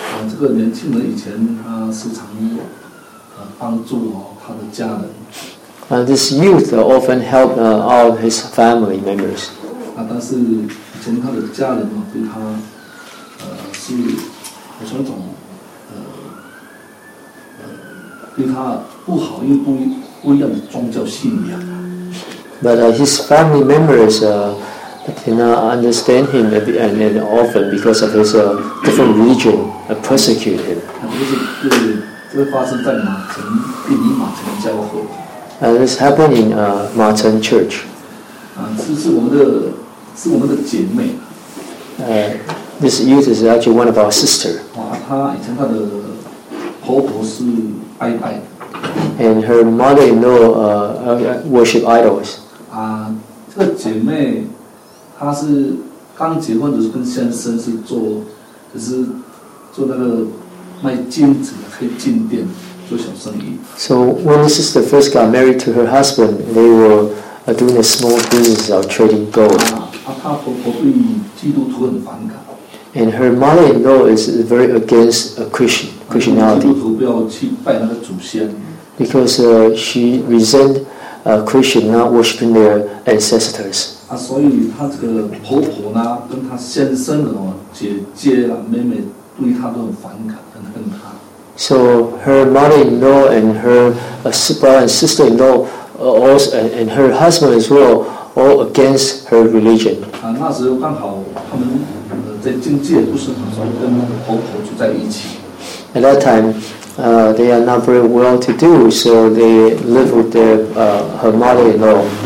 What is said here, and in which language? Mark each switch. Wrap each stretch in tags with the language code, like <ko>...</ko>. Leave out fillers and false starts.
<zh>这个年轻人以前他时常帮助他的家人。</zh> <en>This youth often helped all his family members.</en> <zh>但是以前他的家人对他是好像一种对他不好，因为不一样的宗教信仰。</zh> <en>But his family members cannot understand him and often because of his different religion persecute him. This happened in Ma Cheng Church. This youth is actually one of our sisters. And her mother-in-law worship idols.</en> <zh>这个姐妹她是刚结婚，就是跟先生是做，就是做那个卖金子、开金店做小生意。</zh> <en>So when the sister first got married to her husband, they were doing a small business of trading gold.</en> <zh>她婆婆对基督徒很反感。</zh> <en>And her mother-in-law is very against Christianity.</en> <zh>基督徒不要去拜那个祖先。</zh> <en>Because she resented Christian not worshiping their ancestors.</en> <zh>所以她这个婆婆呢，跟她先生的姐姐啊、妹妹对她都很反感，很恨她。</zh> <en>So her mother-in-law and her brother and sister-in-law also and her husband as well all against her religion.</en> <zh>那时候刚好他们在经济也不是很好，跟那个婆婆住在一起。</zh> <en>At that time. They are not very well to do, so they live with their her mother-in-law.</en>